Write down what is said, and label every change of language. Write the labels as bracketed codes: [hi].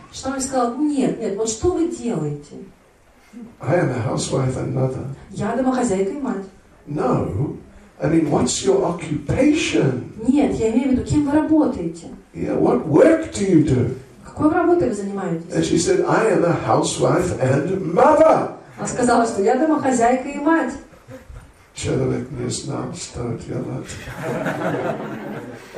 [ru] Что он сказал? Нет, вот что вы делаете? [en] I am a housewife and mother. [ru] Я домохозяйка и мать. [en] No, I mean, what's your occupation? [ru] Нет, я имею в виду, кем вы работаете? [en] Yeah, what work do you do? [ru] Какой работой вы занимаетесь? [en] And she said, I am a housewife and mother. [ru] Она сказала, что я домохозяйка и мать. Человек не знал, что делать.